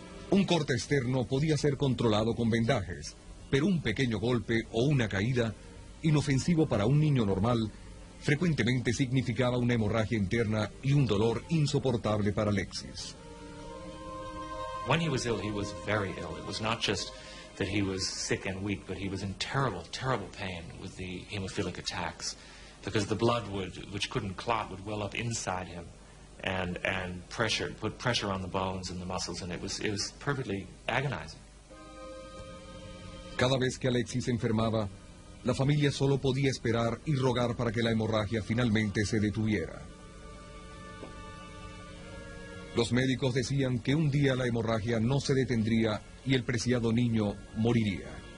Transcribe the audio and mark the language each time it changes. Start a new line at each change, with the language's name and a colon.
Spanish: Un corte externo podía ser controlado con vendajes, pero un pequeño golpe o una caída, inofensivo para un niño normal, frecuentemente significaba una hemorragia interna y un dolor insoportable para Alexis.
English: When he was ill, he was very ill. It was not just that he was sick and weak, but he was in terrible, terrible pain with the hemophilic attacks, because the blood would, which couldn't clot, would well up inside him. And pressure, put pressure on the bones and the muscles, and it was perfectly agonizing.
Spanish: Cada vez que Alexis enfermaba, la familia solo podía esperar y rogar para que la hemorragia finalmente se detuviera. Los médicos decían que un día la hemorragia no se detendría y el preciado niño moriría.